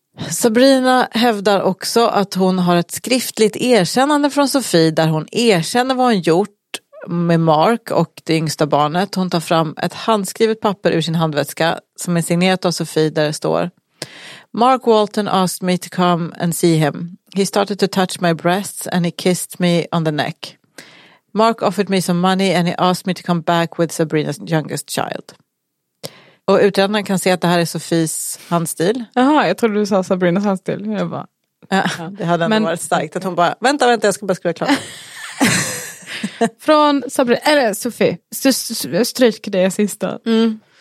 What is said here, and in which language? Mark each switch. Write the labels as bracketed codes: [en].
[sv] Sabrina hävdar också att hon har ett skriftligt erkännande från Sofie där hon erkänner vad hon gjort med Mark och det yngsta barnet. Hon tar fram ett handskrivet papper ur sin handväska som är signerat av Sofie där det står: [en] Mark Walton asked me to come and see him. He started to touch my breasts and he kissed me on the neck. Mark offered me some money and he asked me to come back with Sabrina's youngest child. [sv] Och utredaren kan se att det här är Sofies handstil. Jaha, jag trodde du sa Sabrinas handstil. Jag bara, ja. Det hade ändå varit starkt att hon bara, vänta, jag ska bara skriva klart. Från Sabrina, eller Sofie, stryk det sista. Mm.